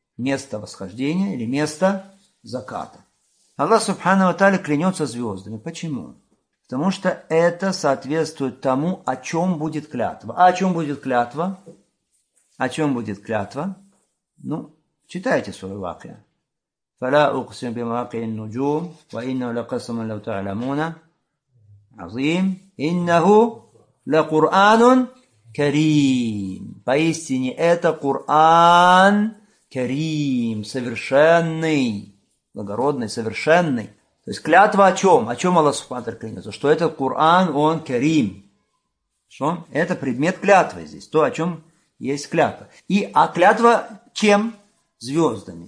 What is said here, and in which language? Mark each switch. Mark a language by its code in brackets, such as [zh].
[ru] Место восхождения или место заката. Аллах Субхана ва Тааля клянется звездами. Почему? Потому что это соответствует тому, о чем будет клятва. А о чем будет клятва? О чем будет клятва? Ну, читайте свою вакья. [ar] فلا أقسم بمواقع النجوم وإنه لقسم لو تعلمون عظيم إنه لقرآن كريم. [ru] Поистине это Коран Карим, совершенный, благородный, совершенный. То есть клятва о чем? О чем Аллах Субхану Тааля клянется? Что этот Коран, он Карим. Что? Это предмет клятвы здесь, то, о чем есть клятва. И, а клятва чем? Звездами.